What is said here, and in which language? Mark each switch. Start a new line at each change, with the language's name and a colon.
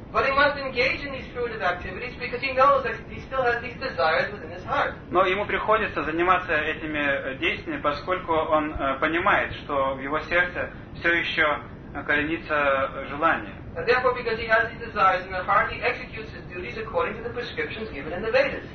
English: But he must engage in these fruitive activities because he knows that he still has these desires within his heart.
Russian: Но ему приходится заниматься этими действиями, поскольку он понимает, что в его сердце все еще коренится желание.
English: And therefore, because he has these desires in his heart, he executes his duties according to the prescriptions given in the Vedas.